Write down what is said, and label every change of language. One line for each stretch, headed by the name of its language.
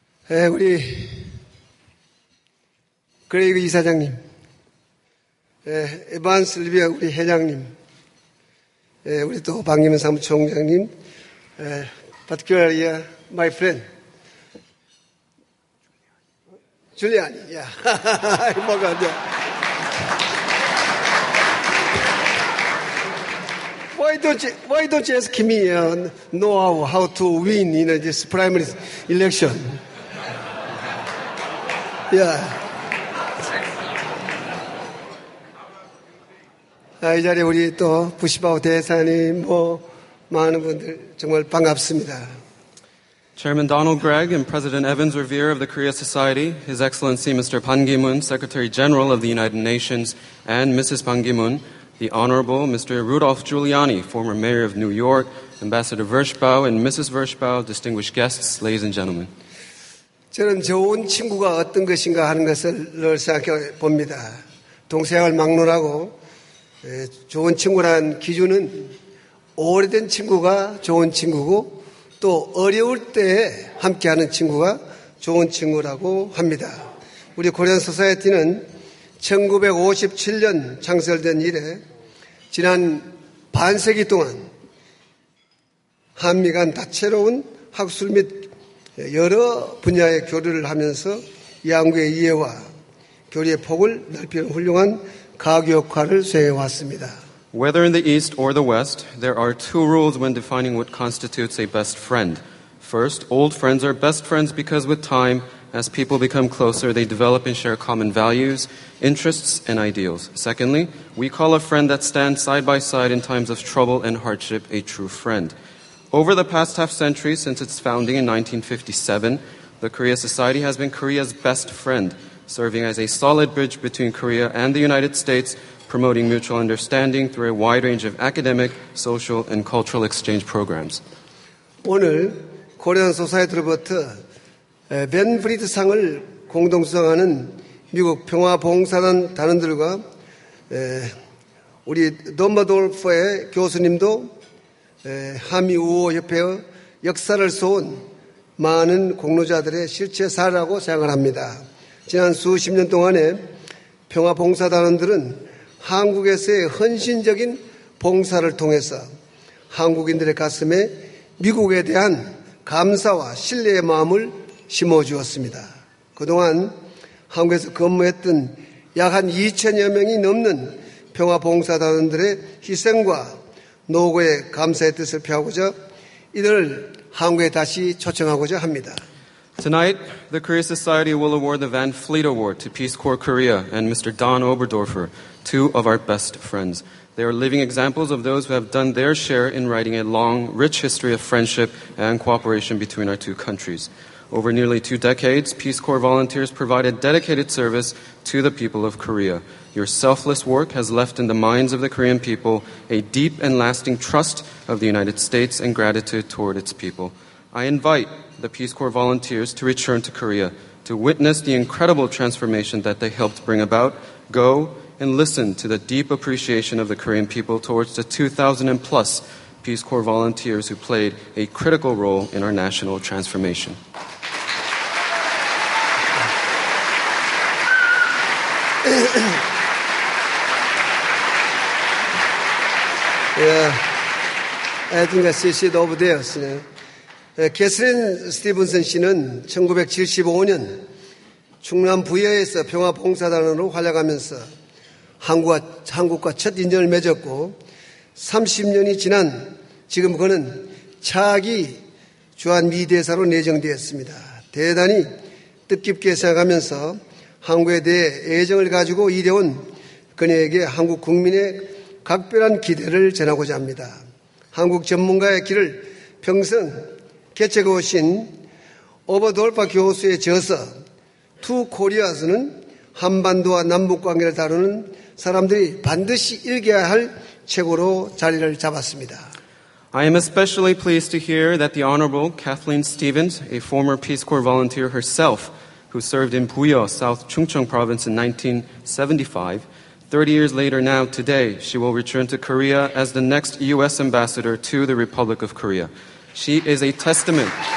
Korean: Hey, 우리 그레이그 이사장님, 에반스 리비아 우리 회장님, 우리 또 방기문 사무총장님,
English: particularly my friend,
Korean: 줄리안이, yeah, 뭐가 돼?
English: Why don't you ask me know how to win in this primary election? Yeah.
Korean: 이 자리에 우리 또 부시바오 대사님 뭐 많은 분들 정말 반갑습니다.
English: Chairman Donald Gregg and President Evans Revere of the Korea Society, His Excellency Mr. Ban Ki-moon, Secretary General of the United Nations, and Mrs. Ban Ki-moon, the Honorable Mr. Rudolph Giuliani, former Mayor of New York, Ambassador Virchow and Mrs. Virchow, distinguished guests, ladies and gentlemen.
Korean: 저는 좋은 친구가 어떤 것인가 하는 것을 늘 생각해 봅니다. 동생을 막론하고 좋은 친구란 기준은 오래된 친구가 좋은 친구고 또 어려울 때 함께하는 친구가 좋은 친구라고 합니다. 우리 코리안 소사이어티는 1957년 창설된 이래 지난 반세기 동안 한미 간 다채로운 학술 및 여러 분야의 교류를 하면서 양국의 이해와 교류의 폭을 넓히는 훌륭한 가교 역할을 수행해 왔습니다.
English: Whether in the East or the West, there are two rules when defining what constitutes a best friend. First, old friends are best friends because with time, as people become closer, they develop and share common values, interests, and ideals. Secondly, we call a friend that stands side by side in times of trouble and hardship a true friend. Over the past half century, since its founding in 1957, the Korea Society has been Korea's best friend, serving as a solid bridge between Korea and the United States, promoting mutual understanding through a wide range of academic, social, and cultural exchange programs.
Korean: 오늘 코리안 소사이어티로부터 벤 프리드상을 공동 수상하는 미국 평화봉사단 단원들과 우리 덤바돌프의 교수님도 한미 우호협회의 역사를 써온 많은 공로자들의 실체사라고 생각을 합니다. 지난 수십 년 동안에 평화봉사단원들은 한국에서의 헌신적인 봉사를 통해서 한국인들의 가슴에 미국에 대한 감사와 신뢰의 마음을 심어주었습니다. 그동안 한국에서 근무했던 약 한 2천여 명이 넘는 평화봉사단원들의 희생과 노고의 감사의 뜻을 표하고자 이들을 한국에 다시 초청하고자 합니다.
English: Tonight, the Korea Society will award the Van Fleet Award to Peace Corps Korea and Mr. Don Oberdorfer, two of our best friends. They are living examples of those who have done their share in writing a long, rich history of friendship and cooperation between our two countries. Over nearly two decades, Peace Corps volunteers provided dedicated service to the people of Korea. Your selfless work has left in the minds of the Korean people a deep and lasting trust of the United States and gratitude toward its people. I invite the Peace Corps volunteers to return to Korea to witness the incredible transformation that they helped bring about. Go and listen to the deep appreciation of the Korean people towards the 2,000 and plus Peace Corps volunteers who played a critical role in our national transformation. 예, I think I see it over there.
Korean: 캐슬린 스티븐슨 씨는 1975년 충남 부여에서 평화봉사단으로 활약하면서 한국과 첫 인연을 맺었고 30년이 지난 지금 그는 차기 주한미대사로 내정되었습니다. 대단히 뜻깊게 생각하면서 한국에 대해 애정을 가지고 일해온 그녀에게 한국 국민의 각별한 기대를 전하고자 합니다. 한국 전문가의 길을 평생 개척해 오신 오버돌파 교수의 저서 투 코리아스는 한반도와 남북관계를 다루는 사람들이 반드시 읽어야 할 책으로 자리를 잡았습니다.
English: I am especially pleased to hear that the Honorable Kathleen Stevens, a former Peace Corps volunteer herself who served in Puyo, South Chungcheong Province in 1975, 30 years later now today, she will return to Korea as the next U.S. ambassador to the Republic of Korea. She is a testament.